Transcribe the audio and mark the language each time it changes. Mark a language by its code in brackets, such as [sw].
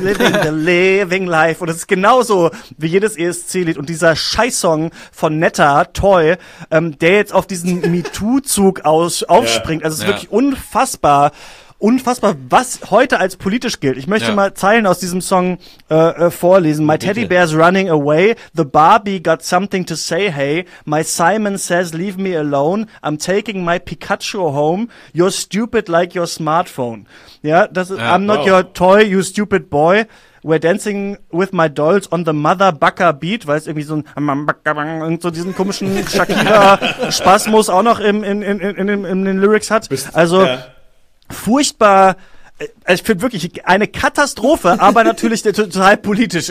[en] Living the living life. [de] Und es ist genauso wie jedes ESC-Lied. Und dieser Scheißsong von Netta, Toy, der jetzt auf diesen MeToo-Zug aufspringt. Also es ist wirklich unfassbar. unfassbar, was heute als politisch gilt. Ich möchte mal Zeilen aus diesem Song vorlesen. [en] My teddy bear's running away. The Barbie got something to say, hey. My Simon says, leave me alone. I'm taking my Pikachu home. You're stupid like your smartphone. [de] Ja, das ist, [en] I'm not your toy, you stupid boy. We're dancing with my dolls on the mother bucker beat, [de] weil es irgendwie so ein und so diesen komischen Shakira-Spasmus auch noch in den Lyrics hat. Also furchtbar, ich finde wirklich eine Katastrophe, aber natürlich total politisch.